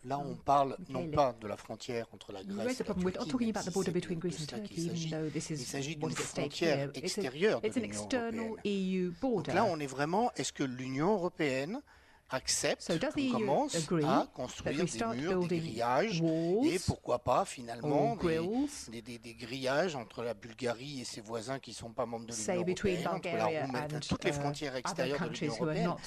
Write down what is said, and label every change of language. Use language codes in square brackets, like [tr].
[fr] Là, on parle non pas de la frontière entre la Grèce et la Turquie. [en] I'm talking about the border between Greece and Turkey, even though this is [fr] a frontière extérieure de l'Union européenne. [en] EU border. [fr] Donc là, on est vraiment. Est-ce que l'Union européenne accepte qu'on commence à construire des murs, des grillages, et pourquoi pas finalement des grillages entre la Bulgarie et ses voisins qui ne sont pas membres de l'Union européenne, entre la Roumanie, et toutes les frontières extérieures de l'Union européenne?